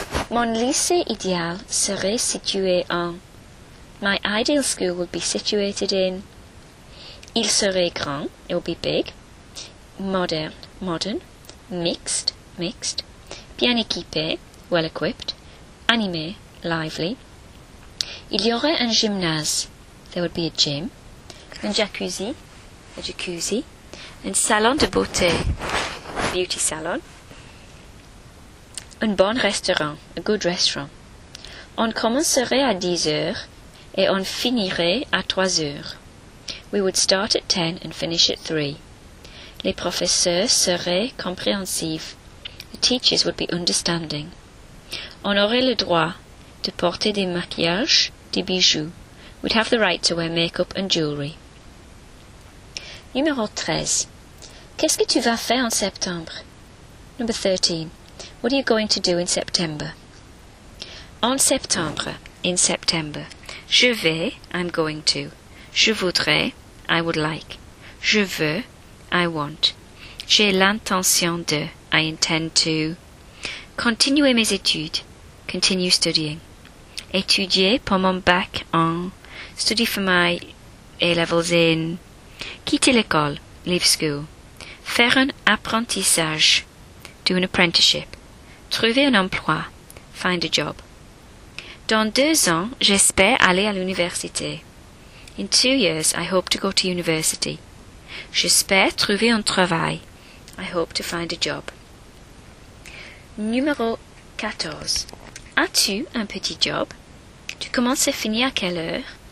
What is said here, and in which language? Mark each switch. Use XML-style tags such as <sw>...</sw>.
<fr>Mon lycée idéal serait situé en.</fr> <en>My ideal school would be situated in.</en> <fr>Il serait grand,</fr> <en>it would be big. Modern, modern. Mixed, mixed.</en> <fr>Bien équipé,</fr> <en>well equipped.</en> <fr>Animé,</fr> <en>lively.</en> <fr>Il y aurait un gymnase,</fr> <en>there would be a gym.</en> <fr>Un jacuzzi,</fr> <en>a jacuzzi.</en> <fr>Un salon de beauté,</fr> <en>beauty salon.</en> <fr>Un bon restaurant,</fr> <en>a good restaurant.</en> <fr>On commencerait à 10 heures et on finirait à 3 heures.</fr> <en>We would start at 10 and finish at 3.</en> <fr>Les professeurs seraient compréhensifs.</fr> <en>The teachers would be understanding.</en> <fr>On aurait le droit de porter des maquillages, des bijoux.</fr> <en>We'd have the right to wear makeup and jewelry.</en> <fr>Numéro 13. Qu'est-ce que tu vas faire en septembre?</fr> <en>Number 13. What are you going to do in September?</en> <fr>En septembre,</fr> <en>in September.</en> <fr>Je vais,</fr> <en>I'm going to.</en> <fr>Je voudrais,</fr> <en>I would like.</en> <fr>Je veux,</fr> <en>I want.</en> <fr>J'ai l'intention de,</fr> <en>I intend to.</en> <fr>Continuer mes études,</fr> <en>continue studying.</en> <fr>Étudier pour mon bac en,</fr> <en>study for my A-levels in.</en> <fr>Quitter l'école,</fr> <en>leave school.</en> <fr>Faire un apprentissage,</fr> <en>do an apprenticeship.</en> <fr>Trouver un emploi,</fr> <en>find a job.</en> <fr>Dans 2 ans, j'espère aller à l'université.</fr> <en>In 2 years, I hope to go to university.</en> <fr>J'espère trouver un travail.</fr> <en>I hope to find a job.</en> <fr>Numéro 14. As-tu un petit job? Tu commences et finis à quelle heure?</fr>